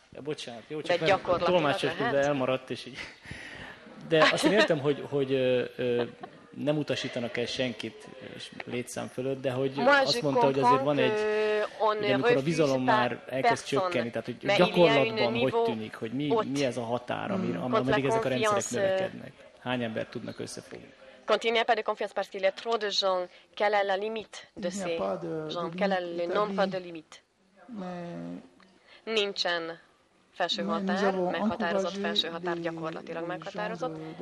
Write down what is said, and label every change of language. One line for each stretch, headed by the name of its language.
Hungarian: Ja, bocsánat, jó, csak tolmácsosként elmaradt, és így. De azt én értem, hogy nem utasítanak el senkit létszám fölött, de hogy azt mondta, hogy azért van egy, hogy amikor a bizalom már elkezd csökkenni, tehát hogy gyakorlatban hogy tűnik, hogy mi ez a határ, ameddig ezek a rendszerek növekednek. Hány embert tudnak összefogni?
French: Continuez pas de confiance parce qu'il y a trop de gens. Quelle est la limite de ces gens? Quel est le nombre de limite?
Hungarian: Nincsen felső határ, meghatározott felső határ, gyakorlatilag meghatározott.